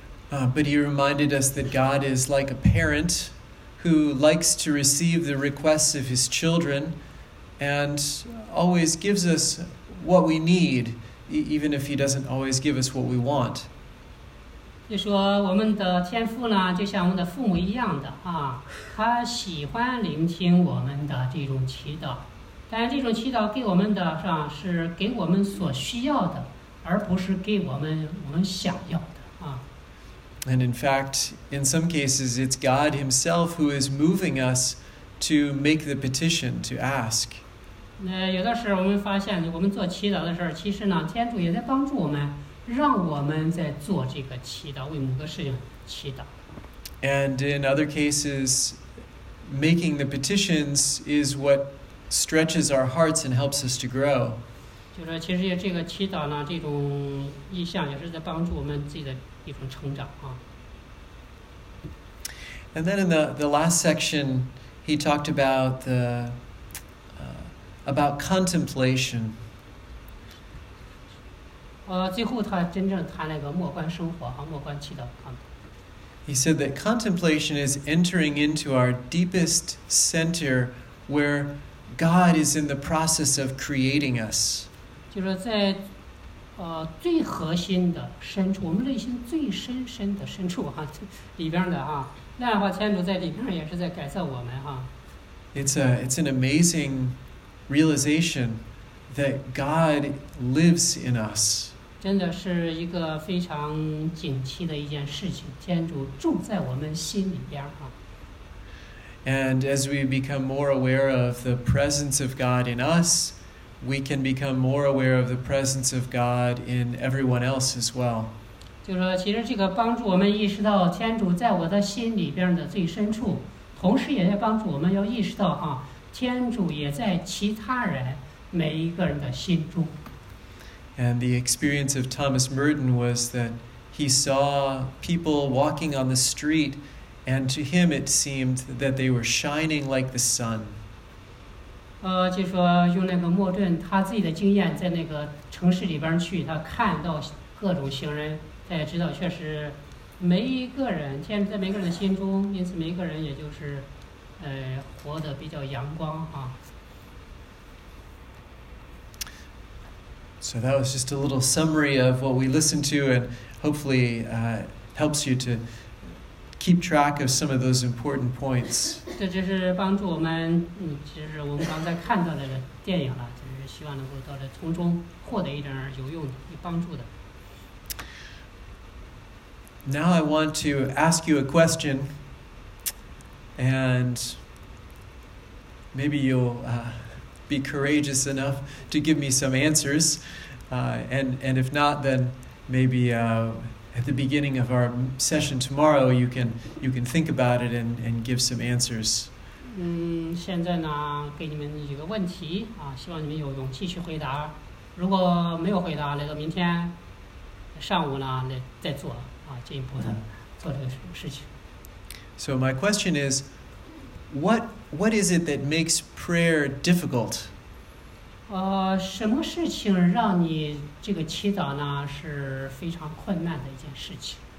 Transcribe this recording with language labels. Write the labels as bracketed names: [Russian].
[English] But he reminded us that God is like a parent who likes to receive the requests of his children and always gives us what we need, even if he doesn't always give us what we want. [Chinese] 就说我们的天父呢，就像我们的父母一样的啊，他喜欢聆听我们的这种祈祷，但这种祈祷给我们的上是给我们所需要的。而不是给我们想要的啊。 [English] And in fact, in some cases, it's God Himself who is moving us to make the petition to ask. [Chinese] 那有的时候我们发现，我们做祈祷的事儿，其实呢，天主也在帮助我们，让我们在做这个祈祷，为某个事情祈祷。 [English] And in other cases, making the petitions is what stretches our hearts and helps us to grow. [Chinese] 就是其实这个祈祷呢，这种意向也是在帮助我们自己的一种成长啊。 [English] And then in the last section, he talked about about contemplation. [Chinese] 最后他真正谈了一个默观生活啊，默观祈祷啊。 [English] He said that contemplation is entering into our deepest center, where God is in the process of creating us. [Chinese] 就是在最核心的深处，我们内心最深的深处啊，里边的啊，那样的话，天主在里边也是在改造我们啊。 [English] It's an amazing realization that God lives in us. [Chinese] 真的是一个非常警惕的一件事情，天主住在我们心里边啊。 [English] And as we become more aware of the presence of God in us. We can become more aware of the presence of God in everyone else as well. [Chinese] 就是说，其实这个帮助我们意识到天主在我的心里边的最深处，同时也在帮助我们要意识到啊，天主也在其他人每一个人的心中。 [English] And the experience of Thomas Merton was that he saw people walking on the street, and to him it seemed that they were shining like the sun. [Chinese] 就说用那个莫顿他自己的经验在那个城市里边去他看到各种行人他也知道确实每一个人天主在每个人的心中因此每一个人也就是活得比较阳光啊。 [English] So that was just a little summary of what we listened to and hopefully helps you to keep track of some of those important points. [Chinese] 这就是帮助我们，就是我们刚才看到的电影了，就是希望能够到这从中获得一点有用的、有帮助的。 [English] Now I want to ask you a question, and maybe you'll be courageous enough to give me some answers, and if not, then maybe. At the beginning of our session tomorrow, you can think about it and give some answers. [Chinese] 现在呢，给你们一个问题啊，希望你们有勇气去回答。如果没有回答，来到明天上午呢，再做啊，进一步的做这个事情。 [English] So my question is, what is it that makes prayer difficult? [Chinese] 什么事情让你这个祈祷呢是非常困难的一件事情？